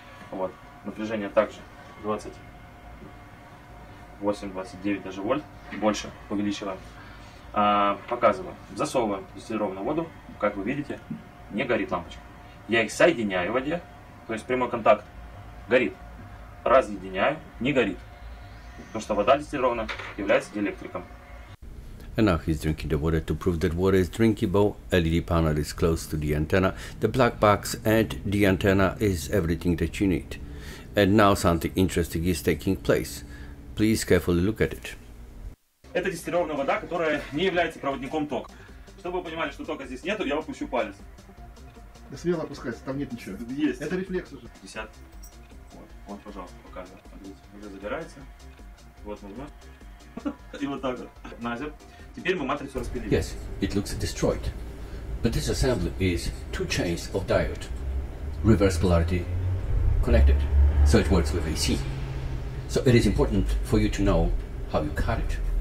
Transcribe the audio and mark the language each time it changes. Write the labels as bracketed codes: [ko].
[ru] Вот. Напряжение также 28-29 даже вольт. Больше увеличиваем. А, показываем. Засовываем дистиллированную воду. Как вы видите, не горит лампочка. Я их соединяю в воде. То есть прямой контакт. Горит. Разъединяю. Не горит. Потому что вода дистиллированная является диэлектриком. [en] And now he's drinking the water to prove that water is drinkable. LED panel is close to the antenna. The black box and the antenna is everything that you need. And now something interesting is taking place. Please carefully look at it. [ru] Это дистиллированная вода, которая не является проводником тока. Чтобы вы понимали, что тока здесь нету, я опущу палец. Да смело опускайся, там нет ничего. Есть. Это рефлекс уже. 50. Вот, пожалуйста, показываю. Уже забирается. Вот, нажимаю. И вот так вот. Назер. Теперь мы матрицу распределим. [en] Yes, it looks destroyed. But this assembly is two chains of diode. Reverse polarity connected. So it works with AC. So it is important for you to know how you cut it.